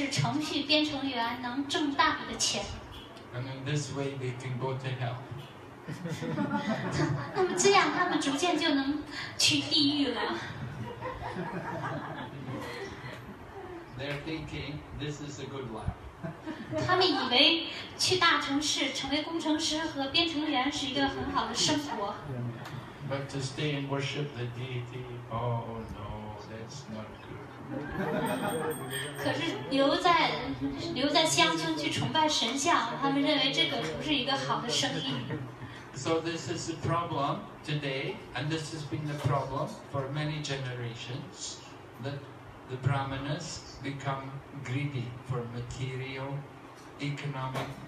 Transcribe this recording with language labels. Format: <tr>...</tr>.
<zh>但是如果他们去大城市受教育，然后他们就可以成为一个工程师，或者是程序编程员，能挣大笔的钱。</zh> <en>And in this way, they can go to hell.</en> <zh>那么这样，他们逐渐就能去地狱了。</zh> <en>They're thinking this is a good life.</en> <zh>他们以为去大城市成为工程师和编程员是一个很好的生活。</zh> <en>But to stay and worship the deity, oh no, that's not good.</en> <zh>可是留在乡村去崇拜神像，他们认为这个不是一个好的生意。</zh> <en>So this is the problem today, and this has been the problem for many generations, that the brahmanas become greedy for material economic</en>